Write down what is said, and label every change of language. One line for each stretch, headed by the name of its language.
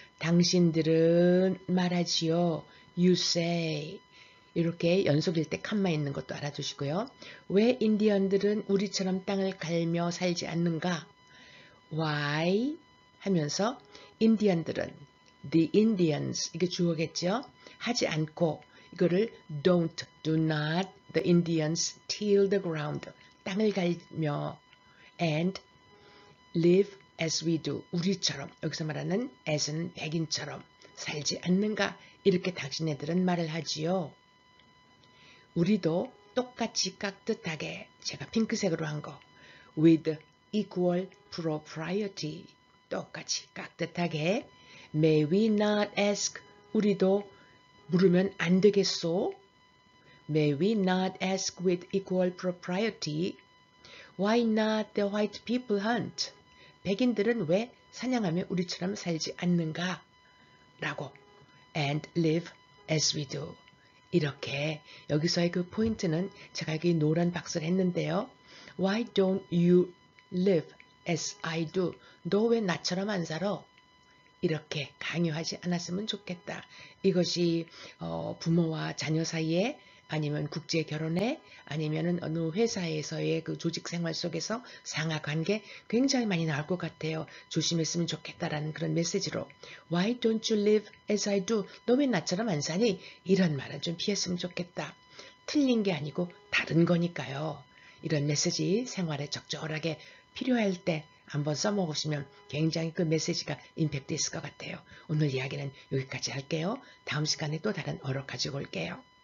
Korean: 당신들은 말하지요.
English: You say
Korean: 이렇게 연속일 때 칸마 있는 것도 알아두시고요. 왜 인디언들은 우리처럼 땅을 갈며 살지 않는가? Why 하면서 인디언들은
English: the Indians
Korean: 이게 주어겠죠? 하지 않고 이거를
English: don't do not the Indians till the ground
Korean: 땅을 갈며
English: and live as we do
Korean: 우리처럼 여기서 말하는 as는 백인처럼 살지 않는가? 이렇게 당신네들은 말을 하지요. 우리도 똑같이 깍듯하게 제가 핑크색으로 한 거
English: with equal propriety
Korean: 똑같이 깍듯하게
English: may we not ask
Korean: 우리도 물으면 안 되겠소?
English: May we not ask with equal propriety? Why not the white people hunt?
Korean: 백인들은 왜 사냥하며 우리처럼 살지 않는가? 라고
English: and live as we do.
Korean: 이렇게 여기서의 그 포인트는 제가 여기 노란 박스를 했는데요.
English: Why don't you live as I do?
Korean: 너 왜 나처럼 안 살아? 이렇게 강요하지 않았으면 좋겠다. 이것이 부모와 자녀 사이에 아니면 국제 결혼에 아니면은 어느 회사에서의 그 조직 생활 속에서 상하 관계 굉장히 많이 나올 것 같아요. 조심했으면 좋겠다라는 그런 메시지로
English: Why don't you live as I do?
Korean: 너 왜 나처럼 안 사니? 이런 말은 좀 피했으면 좋겠다. 틀린 게 아니고 다른 거니까요. 이런 메시지 생활에 적절하게 필요할 때 한번 써먹으시면 굉장히 그 메시지가 임팩트 있을 것 같아요. 오늘 이야기는 여기까지 할게요. 다음 시간에 또 다른 어록 가지고 올게요.